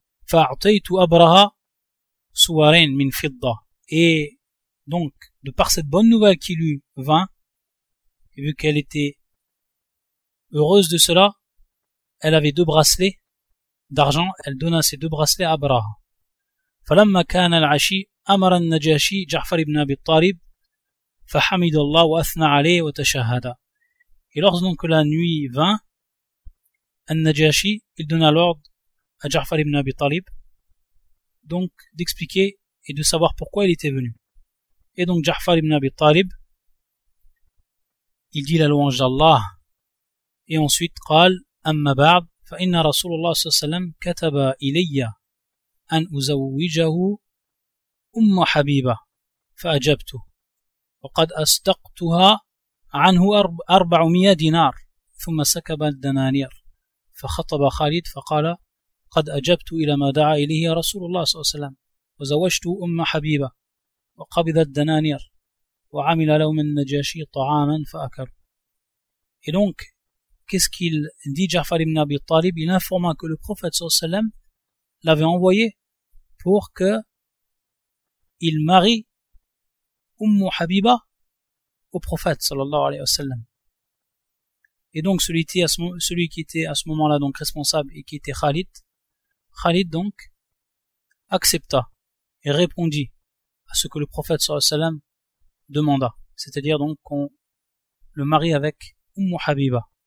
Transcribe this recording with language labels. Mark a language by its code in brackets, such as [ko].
[ar] فَأَعْطَيْتُ أَبْرَهَا سُوَارَيْن مِنْ فِضَّةٍ. [fr] Et donc, de par cette bonne nouvelle qui lui vint, vu qu'elle était heureuse de cela, elle avait deux bracelets d'argent, elle donna ces deux bracelets à Abraha. [ar] فلما كان العشي امر النجاشي جعفر ابن ابي الطالب فحمد الله واثنى عليه وتشهد. [fr] Et lorsque la nuit vint, النجاشي, il donna l'ordre à Ja'far ibn Abi Talib donc d'expliquer et de savoir pourquoi il était venu. Et donc Ja'far ibn Abi Talib, il dit la louange d'Allah. Et ensuite, [ar] قال أما بعد فإن رسول الله صلى الله عليه وسلم كتب إلي أن أزوجه أم حبيبة فأجبته وقد أصدقتها عنه 400 دينار ثم سكب الدنانير فخطب خالد فقال قد أجبت إلى ما دعا إليه رسول الله صلى الله عليه وسلم وزوجته أم حبيبة وقبض الدنانير وعمل لهم النجاشي طعاما فأكل. [fr] Qu'est-ce qu'il dit Ja'far ibn Abi Talib? Il informa que le prophète sallallahu alayhi wa sallam l'avait envoyé pour que il marie Ummu Habiba au prophète sallallahu alayhi wa sallam. Et donc celui qui était à ce moment-là donc responsable et qui était Khalid, Khalid donc accepta et répondit à ce que le prophète sallallahu alayhi wa sallam demanda, c'est-à-dire donc qu'on le marie avec Ummu Habiba.